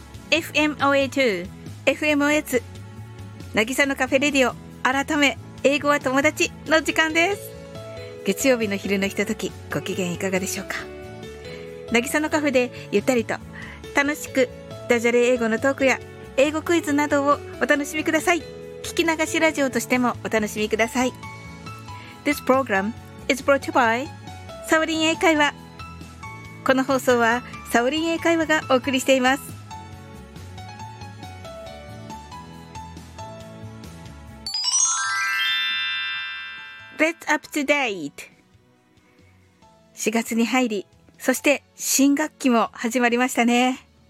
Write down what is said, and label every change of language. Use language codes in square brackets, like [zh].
[ja] FMOA2、FMOS、なぎさのカフェレディオ、改め、英語は友達の時間です。月曜日の昼のひととき、ご機嫌いかがでしょうか。なぎさのカフェでゆったりと、楽しく、ダジャレ英語のトークや、英語クイズなどをお楽しみください。聞き流しラジオとしてもお楽しみください。 [en] This program is brought to you by サオリン英会話。 [ja] この放送はサオリン英会話がお送りしています。 [en] Let's up to date。 [ja] 4月に入り、そして新学期も始まりましたね。